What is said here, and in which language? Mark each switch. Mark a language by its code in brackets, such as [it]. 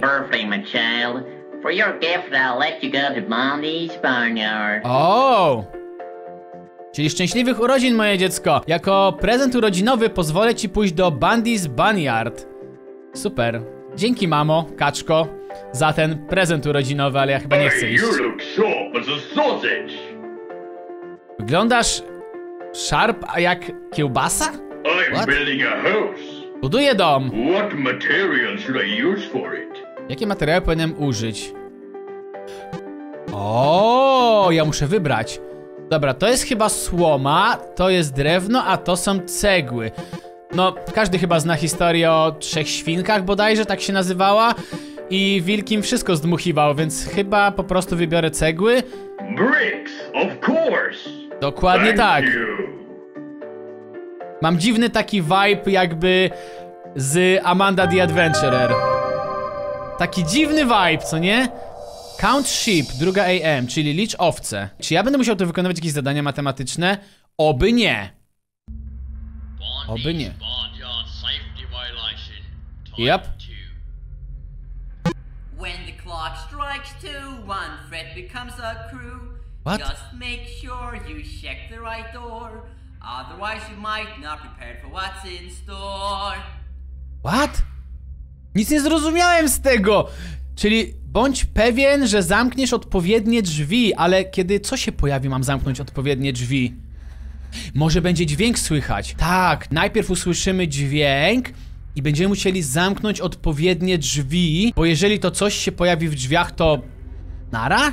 [en] Happy birthday, my child. For your gift, I'll let you go to Mommy's Barnyard. Oh! [pl] Czyli szczęśliwych urodzin, moje dziecko. Jako prezent urodzinowy pozwolę ci pójść do Bundy's Barnyard. Super. Dzięki, mamo, kaczko, za ten prezent urodzinowy, ale ja chyba nie chcę iść. [en] You look sharp as a sausage. [pl] Wyglądasz sharp jak kiełbasa? [en] What? I'm building a house. [pl] Buduję dom. [en] What material should I use for it? [pl] Jakie materiały powinienem użyć? O, ja muszę wybrać. Dobra, to jest chyba słoma, to jest drewno, a to są cegły. No, każdy chyba zna historię o trzech świnkach bodajże, tak się nazywała. I wilk im wszystko zdmuchiwał, więc chyba po prostu wybiorę cegły. [en] Bricks, of course. [pl] Dokładnie tak. Mam dziwny taki vibe jakby z Amanda the Adventurer. Taki dziwny vibe, co nie? [en] Count sheep, [pl] druga AM, czyli licz owce. Czy ja będę musiał tu wykonywać jakieś zadania matematyczne? Oby nie. Oby nie. [en] Yep. When the clock strikes two, one threat becomes a crew. What? Just make sure you check the right door. Otherwise you might not prepare for what's in store. What? [pl] Nic nie zrozumiałem z tego! Czyli bądź pewien, że zamkniesz odpowiednie drzwi, ale kiedy co się pojawi, mam zamknąć odpowiednie drzwi? Może będzie dźwięk słychać? Tak, najpierw usłyszymy dźwięk i będziemy musieli zamknąć odpowiednie drzwi, bo jeżeli to coś się pojawi w drzwiach, to... Nara?